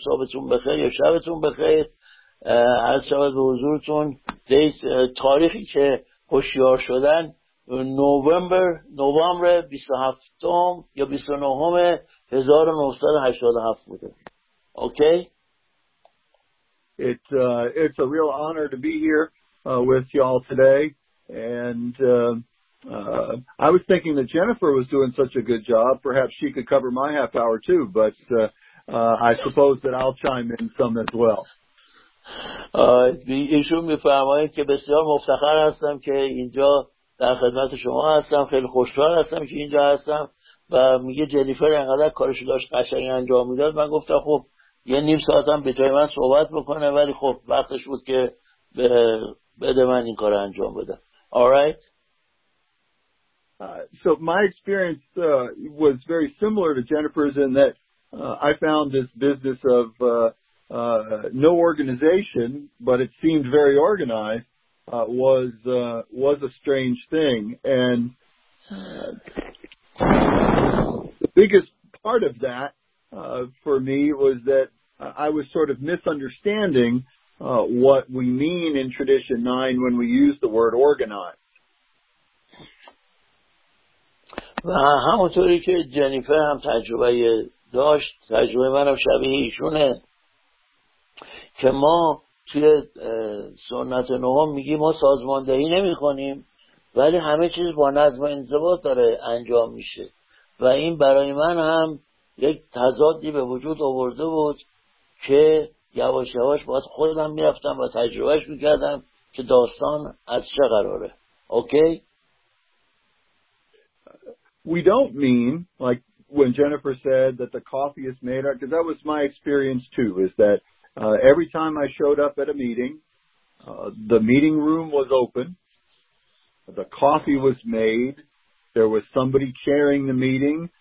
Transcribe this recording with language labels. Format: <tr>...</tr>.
<fa>صبحتون بخیر یا شبتون بخیر. از شبت به حضورتون. تاریخی که هوشیار شدن نوامبر 27 یا 29 1987 بوده.</fa> <en>Okay. It's a real honor to be here with y'all today. And I was thinking that Jennifer was doing such a good job. Perhaps she could cover my half hour too. But I suppose that I'll chime in some as well.</en> <fa>ایشون میفرمایید که بسیار مفتخر هستم که اینجا در خدمت شما هستم. خیلی خوشحال هستم که اینجا هستم. و میگه جنیفر انقدر کارشو داشت قشنگ انجام میداد. من گفتم خب یه نیم ساعتم به جای من صحبت بکنه. ولی خب وقتش بود که بده من این کار انجام بدم.</fa> <en>Alright. So my experience was very similar to Jennifer's in that I found this business of no organization, but it seemed very organized, was a strange thing. And the biggest part of that for me was that I was sort of misunderstanding what we mean in Tradition 9 when we use the word organized.</en> <fa>همونطوری که جنیفر هم تجربه داشت، تجربه من هم شبیه ایشونه. که ما توی سنت نهم میگیم ما سازماندهی نمی‌کنیم، ولی همه چیز با نظم و انضباط داره انجام میشه و این برای من هم یک تضادی به وجود آورده بود که یواش یواش باید خودم میرفتم و تجربهش میکردم که داستان از چه قراره. اوکی؟</fa> <en>We don't mean like when Jennifer said that the coffee is made out, because that was my experience too, is that every time I showed up at a meeting, the meeting room was open, the coffee was made, there was somebody chairing the meeting.</en>